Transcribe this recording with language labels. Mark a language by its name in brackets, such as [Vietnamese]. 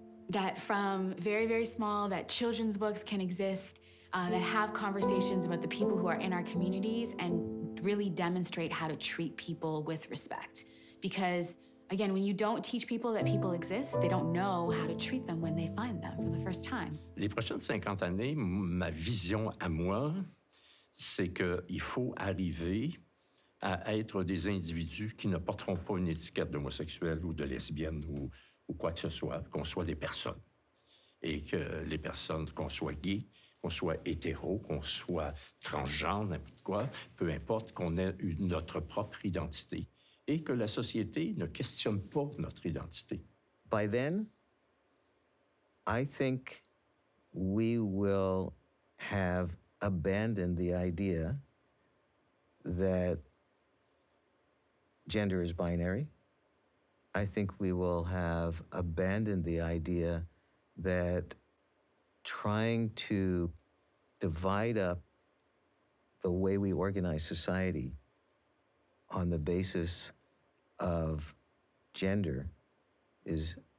[English] That from very, very small, that children's books can exist, that have conversations about the people who are in our communities and really demonstrate how to treat people with respect. Because, again, when you don't teach people that people exist, they don't know how to treat them when they find them for the first time. [French] Les prochaines 50 années, ma vision à moi, c'est qu'il faut arriver à être des individus qui ne porteront pas une étiquette d'homosexuel ou de lesbienne ou quoi que ce soit, qu'on soit des personnes. Et que les personnes, qu'on soit gay, qu'on soit hétéro, qu'on soit transgenre, n'importe quoi, peu importe, qu'on ait notre propre identité. Et que la société ne questionne pas notre identité. [English] By then, I think we will have abandoned the idea that gender is binary. I think we will have abandoned the idea that trying to divide up the way we organize society on the basis of gender is